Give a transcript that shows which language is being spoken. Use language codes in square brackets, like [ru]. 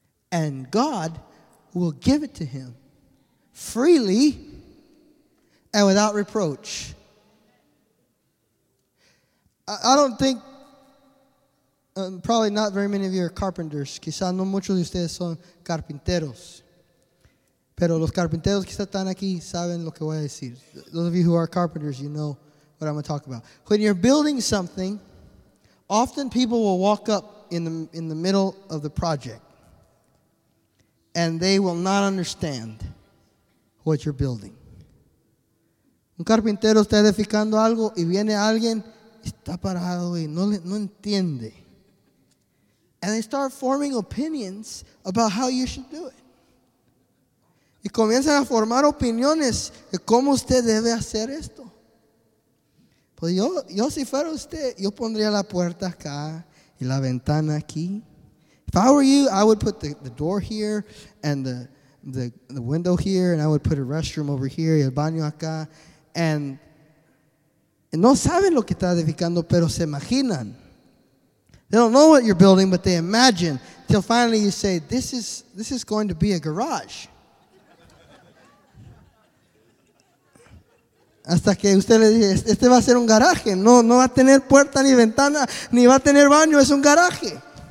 [en] And God will give it to him freely and without reproach. I don't think, probably not very many of you are carpenters. [es] Quizás no muchos de ustedes son carpinteros. Pero los carpinteros que están aquí saben lo que voy a decir. [en] Those of you who are carpenters, you know what I'm going to talk about. When you're building something, often people will walk up in the middle of the project. And they will not understand what you're building. [es] Un carpintero está edificando algo y viene alguien, está parado y no entiende. [en] And they start forming opinions about how you should do it. [es] Y comienzan a formar opiniones de cómo usted debe hacer esto. Pues yo si fuera usted, yo pondría la puerta acá y la ventana aquí. [en] If I were you, I would put the door here and the window here, and I would put a restroom over here [es] y el baño acá. [en] And [es] no saben lo que está edificando, pero se imaginan. [en] They don't know what you're building, but they imagine. Till finally you say, this is going to be a garage. [es] Hasta que usted le dice, este va a ser un garaje. No va a tener puerta ni ventana, ni va a tener baño, es un garaje.